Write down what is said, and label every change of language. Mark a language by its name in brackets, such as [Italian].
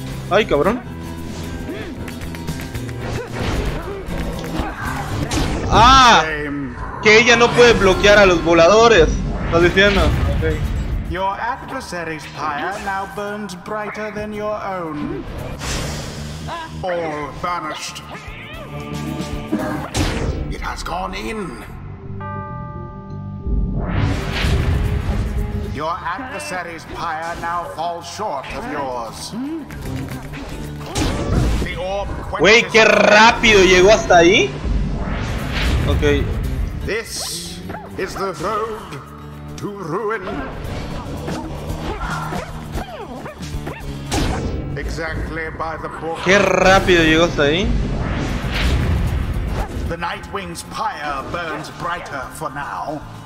[Spanish] ¡Ay, cabrón! ¡Ah! Que ella no puede bloquear a los voladores. ¿Estás diciendo? Ok. [English] Your adversary's pyre now burns brighter than your own. All vanished. It has gone in. Your adversary's pyre now falls short of yours. The orb quenches. [Spanish] Wey, qué rápido llegó hasta ahí. [English] Okay. This is the road to ruin. Exactly by the book. [Spanish] Qué rápido llegó hasta ahí. [English] The Nightwing's pyre burns brighter for now.